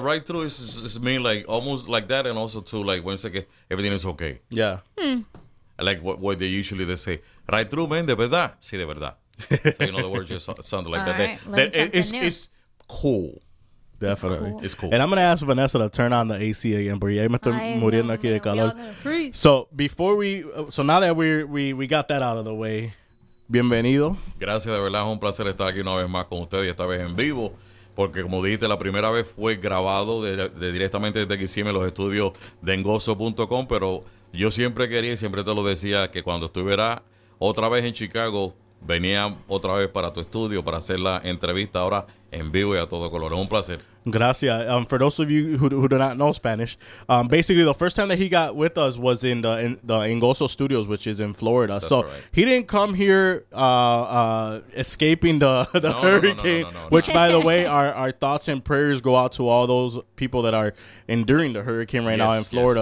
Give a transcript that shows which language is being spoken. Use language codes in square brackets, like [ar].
[en] Right through is mean like almost like that, and also too like when it's like everything is okay. Yeah. Like what they usually they say, right through, man, [es] de verdad, sí, de verdad. [en] So, you know, the words just sound like that. Right. It's cool. Definitely. It's cool. And I'm going to ask Vanessa to turn on the AC again. [es] Porque ya me estoy muriendo aquí de calor. [en] So, before we, so now that we got that out of the way, bienvenido. [es] Gracias, de verdad. Es un placer estar aquí una vez más con ustedes, esta vez en vivo. Porque, como dijiste, la primera vez fue grabado de directamente desde que hicimos los estudios de engoso.com. Pero yo siempre quería y siempre te lo decía que cuando estuviera otra vez en Chicago, venía otra vez para tu estudio para hacer la entrevista ahora en vivo y a todo color. Es un placer. Gracias. [en] For those of you who do not know Spanish, basically the first time that he got with us was in the Engoso Studios, which is in Florida. That's so right. He didn't come here escaping the hurricane, which, by the way, our thoughts and prayers go out to all those people that are enduring the hurricane right now in Florida.